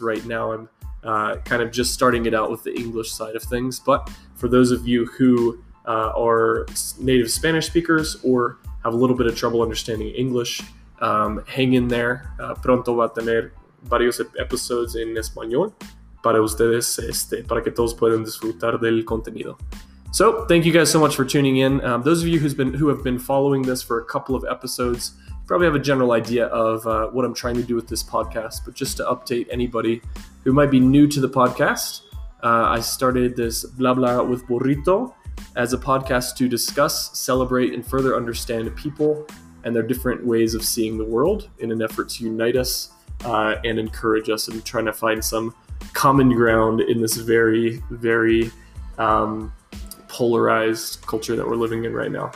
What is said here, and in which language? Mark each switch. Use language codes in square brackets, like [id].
[en] Right now I'm kind of just starting it out with the English side of things, but for those of you who are native Spanish speakers or have a little bit of trouble understanding English, hang in there. [es] Pronto va a tener varios episodios en español para ustedes, para que todos puedan disfrutar del contenido. [en] So, thank you guys so much for tuning in. Those of you who have been following this for a couple of episodes, you probably have a general idea of what I'm trying to do with this podcast. But just to update anybody who might be new to the podcast, I started this Bla Bla with Burrito as a podcast to discuss, celebrate, and further understand people and their different ways of seeing the world in an effort to unite us and encourage us in trying to find some common ground in this very, very polarized culture that we're living in right now.